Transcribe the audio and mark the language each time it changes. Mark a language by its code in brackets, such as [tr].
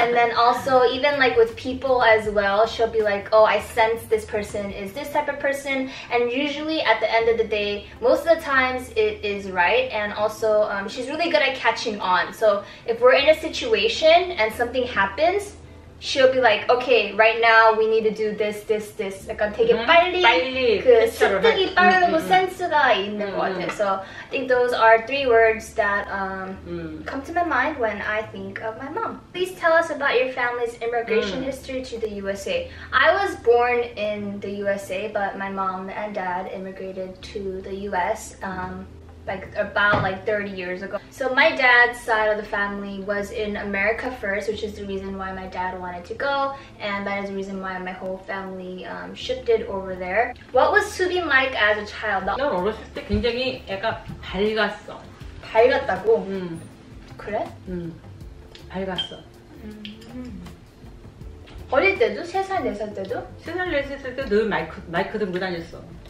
[en] And then also even like with people as well, she'll be like, oh, I sense this person is this type of person. And usually at the end of the day, most of the times it is right. And also she's really good at catching on. So if we're in a situation and something happens, she'll be like, okay, right now we need to do this, this, this. [ko] 약간 되게 빨리 그 습득이 빠르고 센스가 있는 것 같아. [en] So I think those are three words that come to my mind when I think of my mom. Please tell us about your family's immigration history to the USA. I was born in the USA, but my mom and dad immigrated to the US. Like about like 30 years ago. So my dad's side of the family was in America first, which is the reason why my dad wanted to go, and that is the reason why my whole family shifted over there. What was Subin like as a child? [ko] 난 어렸을 때 굉장히 약간 밝았어. 밝았다고? 응. 그래? 밝았어. 어릴 때도? 3살, 4살 때도? 3살, 4살 때도 늘 마이크 들고 다녔어.